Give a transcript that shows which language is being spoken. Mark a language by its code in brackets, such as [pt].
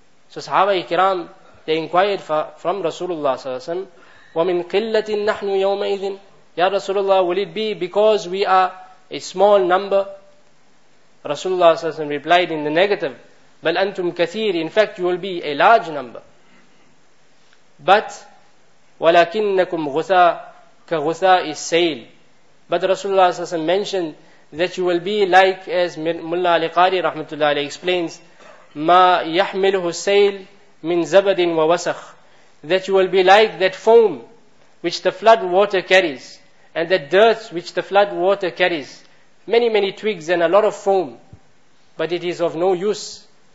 [en] So Sahaba Ikram, they inquired from Rasulullah sallallahu alaihi wasallam, [ar] وَمِنْ قِلَّةٍ نَحْنُ يَوْمَئِذٍ. [en] Ya Rasulullah, will it be because we are a small number? Rasulullah sallallahu alaihi wasallam replied in the negative, [ar] بَلْ أَنْتُمْ كَثِيرٍ. [en] In fact, you will be a large number. But [ar] وَلَكِنَّكُمْ غُثَى كَغُثَى السَّيْلِ. [en] But Rasulullah sallallahu alaihi wasallam mentioned that you will be like, as Mullah Ali Qari rahmatullah alayhi explains, [ar] ma yahmiluhu sail min zabadin wa wasakh, [en] that you will be like that foam which the flood water carries, and that dirt which the flood water carries, many twigs and a lot of foam, but it is of no use.